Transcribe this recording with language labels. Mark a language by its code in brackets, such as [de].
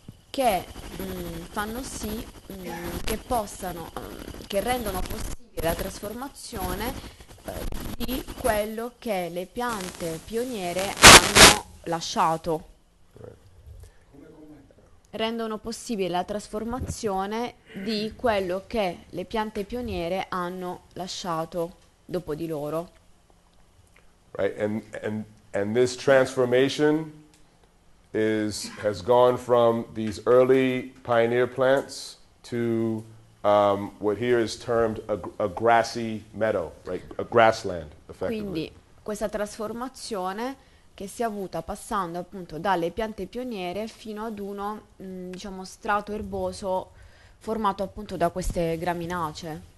[it] Che fanno sì che possano, che rendono possibile la trasformazione di quello che le piante pioniere hanno lasciato. Rendono possibile la trasformazione di quello che le piante pioniere hanno lasciato dopo di loro. [en] Right, and this transformation has gone from these early pioneer plants to what here is termed a grassy meadow, right? A grassland, effectively. [it] Quindi questa trasformazione che si è avuta passando appunto dalle piante pioniere fino ad uno diciamo strato erboso formato appunto da queste graminacee.